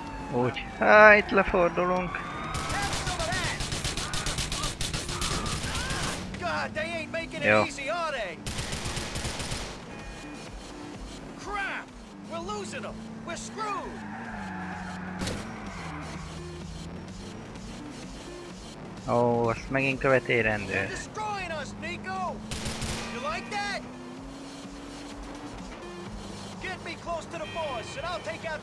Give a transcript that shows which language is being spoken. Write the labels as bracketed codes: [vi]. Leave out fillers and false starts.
[hu] Úgy, hát itt lefordulunk. [en] God, they ain't making it easy, are they? Crap! We're losing them! We're screwed! [hu] Oh, azt megint követi a rendőr. [en] You're destroying us, Nico! You like that? Get me close to the boss and I'll take out that